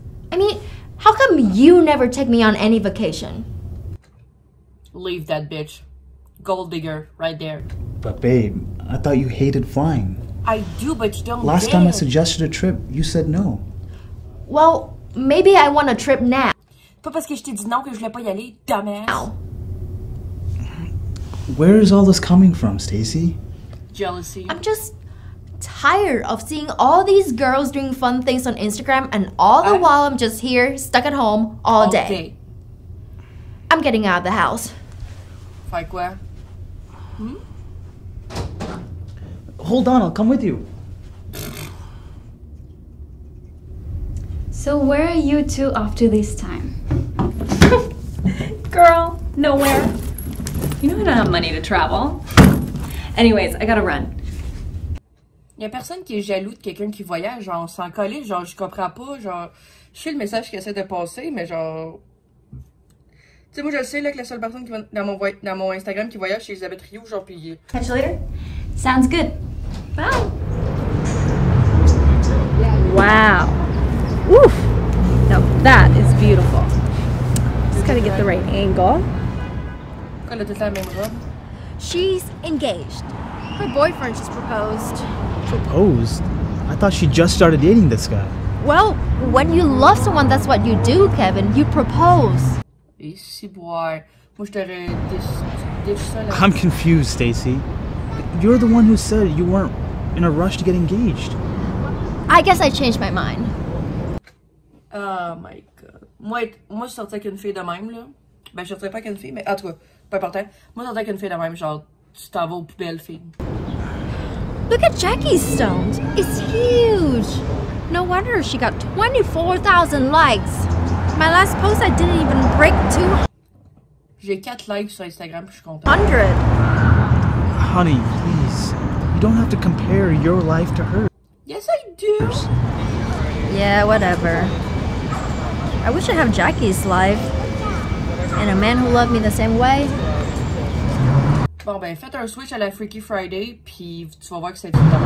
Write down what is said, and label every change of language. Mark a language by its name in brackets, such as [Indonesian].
[English] I mean, how come you never take me on any vacation? Leave that bitch. Gold digger, right there. But babe, I thought you hated flying. I do, but you don't. Last time I suggested a trip, you said no. Well, maybe I want a trip now. [French] Pas parce que je t'ai dit non que je voulais pas y aller, dumbass. [English] Ow. Where is all this coming from, Stacy? Jealousy. I'm just tired of seeing all these girls doing fun things on Instagram and all the while I'm just here, stuck at home, all day. I'm getting out of the house. Like where? Hmm? Hold on, I'll come with you. So where are you two off to this time? Girl, nowhere. You know I don't have money to travel. Anyways, I gotta run. [French] Y'a personne qui est jaloux de quelqu'un qui voyage, genre, sans coller, genre, je comprends pas, genre, je sais le message qu'il essaie de passer, mais genre, Tu sais, moi, je le sais, là, que la seule personne qui va dans mon Instagram qui voyage, c'est Elisabeth Rioux, genre, puis... [English] Catch you later. Sounds good. Bye. Wow. Oof. Now that is beautiful. Just gotta get the right angle. She's engaged. Her boyfriend just proposed. Proposed? I thought she just started dating this guy. Well, when you love someone, that's what you do, Kevin. You propose. I'm confused, Stacy. You're the one who said you weren't in a rush to get engaged. I guess I changed my mind. Oh my god. [French] Moi, je sortais avec une fille de même, là. Ben, je sortais pas avec une fille, mais en tout cas, peu importe. Moi, je sortais avec une fille de même, genre, tu t'en vas aux poubelles, fille. [English] Look at Jackie's stones. It's huge. No wonder she got 24,000 likes. My last post, I didn't even break 200. [French] J'ai 4 likes sur Instagram, puis je suis content. [English] 100. Honey, please. You don't have to compare your life to hers. Yes, I do. Yeah, whatever. I wish I had Jackie's life. And a man who loved me the same way. [French] Bon, ben, faites un switch à la Freaky Friday, puis tu vas voir que c'est tout.